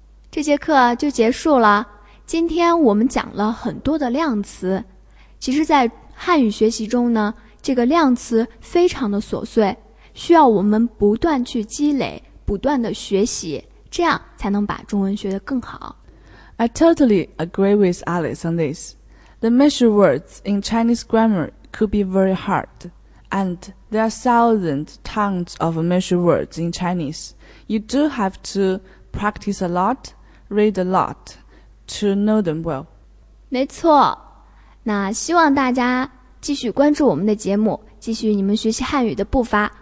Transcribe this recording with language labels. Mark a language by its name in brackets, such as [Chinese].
[Chinese] 这节课就结束了，今天我们讲了很多的量词。其实在汉语学习中呢，这个量词非常的琐碎，需要我们不断去积累，不断的学习，这样才能把中文学得更好。 [English] I totally agree with Alice on this. The measure words in Chinese grammar could be very hard, and there are thousands tons of measure words in Chinese. You do have to practice a lot, read a lot, to know them well. [Chinese] 没错，那希望大家继续关注我们的节目，继续你们学习汉语的步伐。